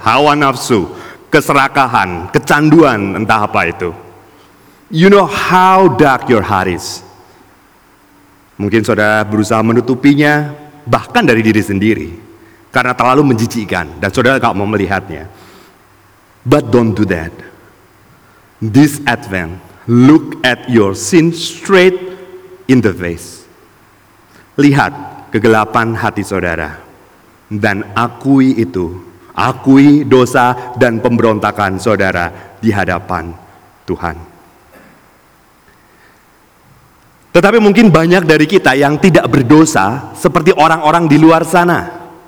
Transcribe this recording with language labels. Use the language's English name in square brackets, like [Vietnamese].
[Indonesian] Hawa nafsu, keserakahan, kecanduan, entah apa itu. [English] You know how dark your heart is. [Indonesian] Mungkin saudara berusaha menutupinya bahkan dari diri sendiri, karena terlalu menjijikkan dan saudara gak mau melihatnya. [English] But don't do that. this Advent, look at your sin straight in the face. [Indonesian] Lihat kegelapan hati saudara dan akui itu. Akui dosa dan pemberontakan saudara di hadapan Tuhan. Tetapi mungkin banyak dari kita yang tidak berdosa seperti orang-orang di luar sana.